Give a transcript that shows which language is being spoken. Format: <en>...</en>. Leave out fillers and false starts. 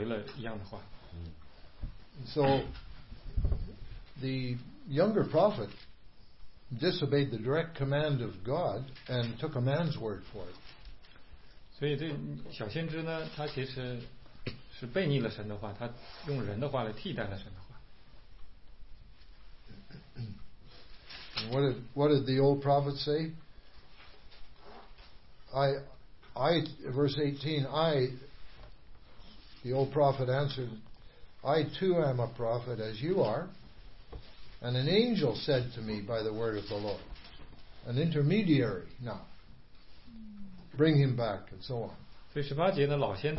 <zh>对，就是十七节也讲了一样的，他跟老先知也回了一样的话。</zh> <en>So the younger prophet disobeyed the direct command of God and took a man's word for it.</en> <zh>所以这小先知呢，他其实是背逆了神的话，他用人的话来替代了神的话。</zh> <en>What did the old prophet say? The old prophet answered, "I too am a prophet as you are, and an angel said to me by the word of the Lord, an intermediary now, bring him back," and so on.</en>